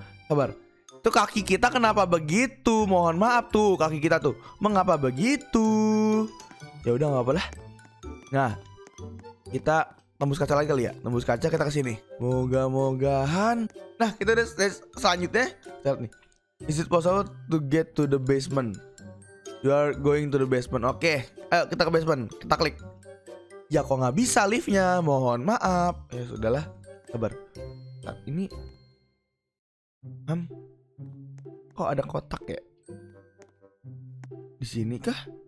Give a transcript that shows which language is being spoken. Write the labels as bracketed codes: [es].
[id] Sabar. Tuh kaki kita kenapa begitu? Mohon maaf tuh kaki kita tuh. Mengapa begitu? Ya udah enggak apa-apa lah. Nah, kita tembus kaca lagi kali ya. Tembus kaca kita ke sini. Moga-mogahan. Nah, kita udah selanjutnya. Lihat nih. [en] Is it possible to get to the basement? You are going to the basement. [id] Oke. Ayo kita ke basement. Kita klik. Ya kok enggak bisa liftnya? Mohon maaf. Ya sudahlah. Sabar. Nah, ini kok ada kotak ya? Di sini kah?